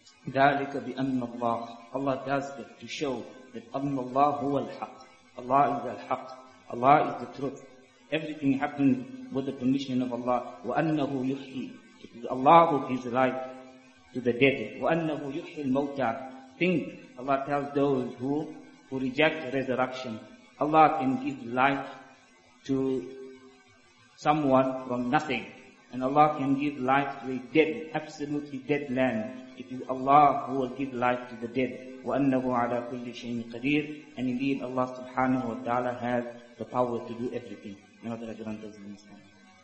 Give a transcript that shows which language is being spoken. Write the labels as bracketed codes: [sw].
[ar] ذَلِكَ بِأَنَّ اللَّهِ, [en] Allah does that to show that [ar] أَنَّ اللَّهُ هُوَ الْحَقِّ, [en] Allah is the Haqq, Allah is the truth. Everything happens with the permission of Allah. [ar] وَأَنَّهُ يُحْيِي, [en] it is Allah who gives life to the dead. [ar] وَأَنَّهُ يُحْيِي الْمَوْتَى, [en] think. Allah tells those who reject resurrection, Allah can give life to someone from nothing. And Allah can give life to a dead, absolutely dead land. It is Allah who will give life to the dead. [ar] وَأَنَّهُ عَلَىٰ كُلِّ شَيْءٍ قَدِيرٍ, [en] and indeed Allah subhanahu wa ta'ala has the power to do everything. May Allah grant us the understanding.